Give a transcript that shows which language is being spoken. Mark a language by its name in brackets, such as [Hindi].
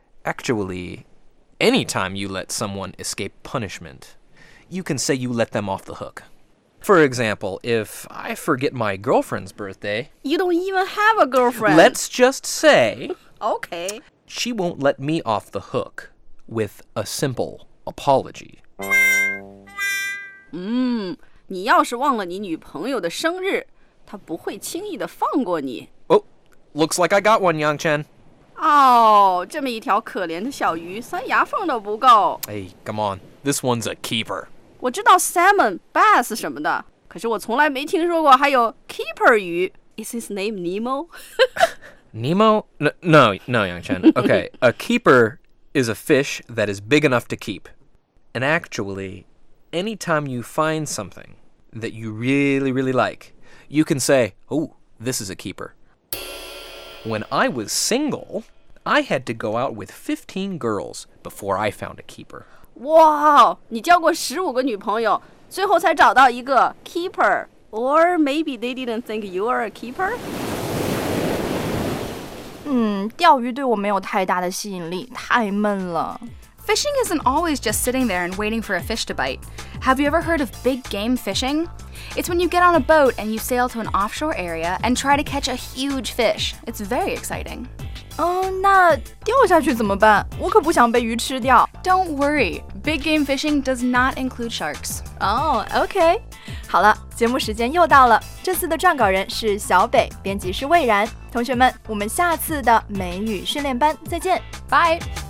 [English] Actually, anytime you let someone escape punishment, you can say you let them off the hook. For example, if I forget my girlfriend's birthday... You don't even have a girlfriend! Let's just say... okay. She won't let me off the hook with a simple apology. [Chinese] 你要是忘了你女朋友的生日，她不会轻易的放过你。 [English] Oh, looks like I got one, Yangchen. [Chinese] 哦，这么一条可怜的小鱼，塞牙缝都不够。 [English] Hey, come on, this one's a keeper. [Chinese] 我知道 salmon, bass 什么的，可是我从来没听说过还有 keeper 鱼。 [English] Is his name Nemo? Nemo? No, Yangchen. Okay, a keeper is a fish that is big enough to keep. And actually... Anytime you find something that you really, really like, you can say, oh, this is a keeper. When I was single, I had to go out with 15 girls before I found a keeper. [Chinese] Wow, 你交过15个女朋友，最后才找到一个 keeper. [English] Or maybe they didn't think you are a keeper? [Chinese] 钓鱼对我没有太大的吸引力，太闷了。 [English] Fishing isn't always just sitting there and waiting for a fish to bite. Have you ever heard of big game fishing? It's when you get on a boat and you sail to an offshore area and try to catch a huge fish. It's very exciting. [Chinese] Oh, 那掉下去怎么办？我可不想被鱼吃掉。 [English] Don't worry. Big game fishing does not include sharks. Oh, okay. [Chinese] 好了，节目时间又到了。这次的撰稿人是小北，编辑是蔚然。同学们，我们下次的美语训练班再见。 [English] Bye.